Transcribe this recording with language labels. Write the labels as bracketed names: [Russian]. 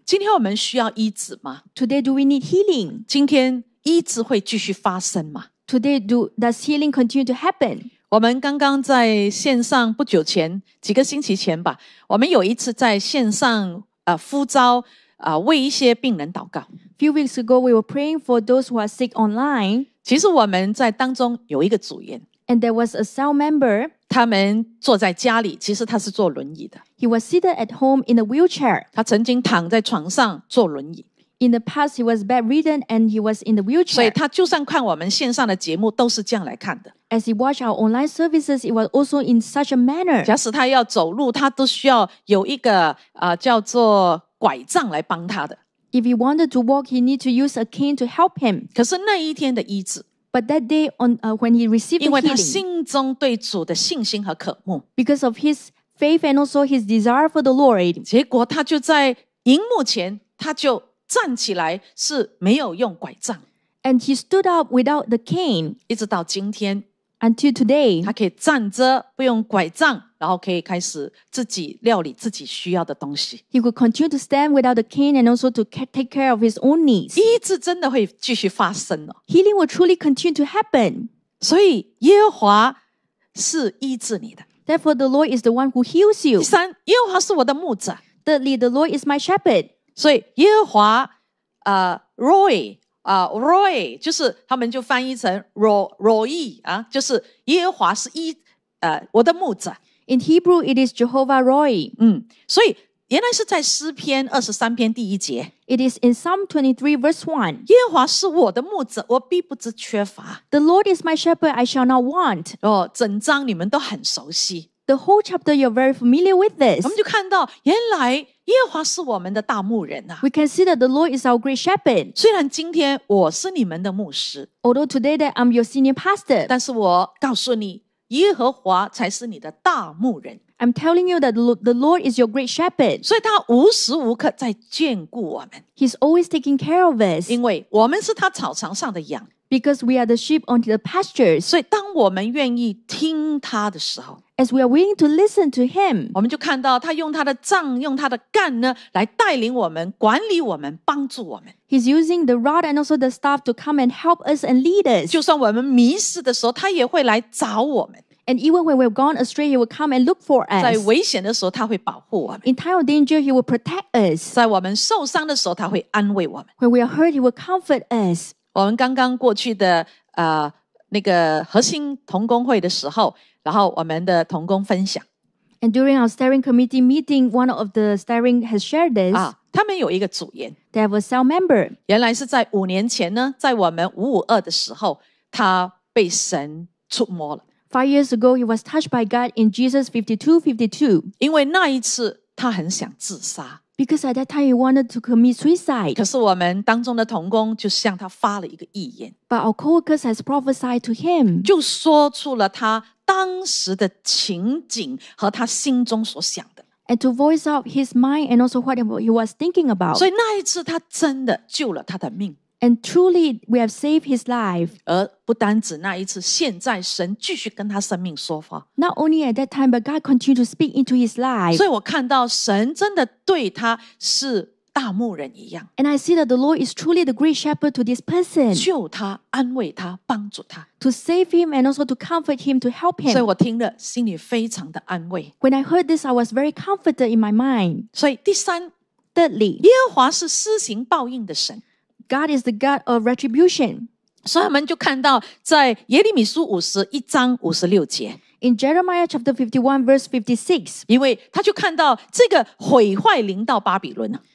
[Chinese] 今天我们需要医治吗？ [English] Today do we need healing? [Chinese] 今天医治会继续发生吗？ [English] Today does healing continue to happen? [Chinese] 我们刚刚在线上不久前，几个星期前吧，我们有一次在线上呼召为一些病人祷告。 [English] Few weeks ago, we were praying for those who are sick online. [Chinese] 其实我们在当中有一个组员。 [English] And there was a cell member. [Chinese] 他们坐在家里，其实他是坐轮椅的。 [English] He was seated at home in a wheelchair. [Chinese] 他曾经躺在床上坐轮椅。 [English] In the past, he was bedridden and he was in the wheelchair. [Chinese] 所以他就算看我们线上的节目，都是这样来看的。 [English] As he watched our online services, it was also in such a manner. [Chinese] 假使他要走路，他都需要有一个叫做拐杖来帮他的。 [English] If he wanted to walk, he need to use a cane to help him. [Chinese] 可是那一天的医治。 [English] But that day when he received the healing. [Chinese] 因为他心中对主的信心和渴慕。 [English] Because of his faith and also his desire for the Lord. [Chinese] 结果他就在荧幕前，他就站起来，是没有用拐杖。 [English] And he stood up without the cane. [Chinese] 一直到今天。 [English] Until today. [Chinese] 他可以站着，不用拐杖。然后可以开始自己料理自己需要的东西。 [English] He could continue to stand without a cane and also to take care of his own needs. [Chinese] 医治真的会继续发生了。 [English] Healing will truly continue to happen. [Chinese] 所以耶和华是医治你的。 [English] Therefore, the Lord is the one who heals you. [Chinese] 第三，耶和华是我的牧者。 [English] Thirdly, the Lord is my shepherd. [Chinese] 所以耶和华Roy 就是他们就翻译成 Roy 就是耶和华是我的牧者。 [English] In Hebrew, it is Jehovah Roy. [Chinese] 所以原来是在诗篇二十三篇第一节。 [English] It is in Psalm 23, verse 1. [Chinese] 耶和华是我的牧者，我必不知缺乏。 [English] The Lord is my shepherd, I shall not want. [Chinese] 哦，整章你们都很熟悉。 [English] The whole chapter, you're very familiar with this. [Chinese] 我们就看到原来耶和华是我们的大牧人啊。 [English] We can see that the Lord is our great shepherd. [Chinese] 虽然今天我是你们的牧师。 [English] Although today that I'm your senior pastor. [Chinese] 但是我告诉你。耶和华才是你的大牧人。 [English] I'm telling you that the Lord is your great shepherd. [Chinese] 所以他无时无刻在眷顾我们。 [English] He's always taking care of us. [Chinese] 因为我们是他草场上的羊。 [English] Because we are the sheep on the pastures. [Chinese] 所以当我们愿意听他的时候。 [English] As we are willing to listen to him. [Chinese] 我们就看到他用他的杖用他的杆呢来带领我们管理我们帮助我们。 [English] He's using the rod and also the staff to come and help us and lead us. [Chinese] 就算我们迷失的时候他也会来找我们。 [English] And even when we've gone astray, He will come and look for us. [Chinese] 在危险的时候，他会保护我们。 [English] In time of danger, He will protect us. [Chinese] 在我们受伤的时候，他会安慰我们。 [English] When we are hurt, He will comfort us. [Chinese] 我们刚刚过去的那个核心同工会的时候，然后我们的同工分享。 [English] And during our steering committee meeting, one of the steering has shared this. [Chinese] 啊，他们有一个组员。 [English] They have a cell member. [Chinese] 原来是在五年前呢，在我们五五二的时候，他被神触摸了。 [English] 5 years ago, he was touched by God in Jesus 52:52. [Chinese] 因为那一次他很想自杀。 [English] Because at that time he wanted to commit suicide. [Chinese] 可是我们当中的同工就向他发了一个预言。 [English] But our co-workers has prophesied to him. [Chinese] 就说出了他当时的情景和他心中所想的。 [English] And to voice out his mind and also what he was thinking about. [Chinese] 所以那一次他真的救了他的命。 [English] And truly, we have saved his life. [Chinese] 而不单止那一次，现在神继续跟他生命说话。 [English] Not only at that time, but God continued to speak into his life. [Chinese] 所以我看到神真的对他是大牧人一样。 [English] And I see that the Lord is truly the great shepherd to this person. [Chinese] 救他，安慰他，帮助他。 [English] To save him and also to comfort him, to help him. [Chinese] 所以我听了，心里非常的安慰。 [English] When I heard this, I was very comforted in my mind. [Chinese] 所以第三 [English] ，Thirdly, [Chinese] 耶和华是施行报应的神。 [English] God is the God of retribution. [Chinese] 所以我们就看到在耶利米书五十一章五十六节。 [English] In Jeremiah chapter 51 verse 56. [Chinese] 因为他就看到这个毁坏临到巴比伦。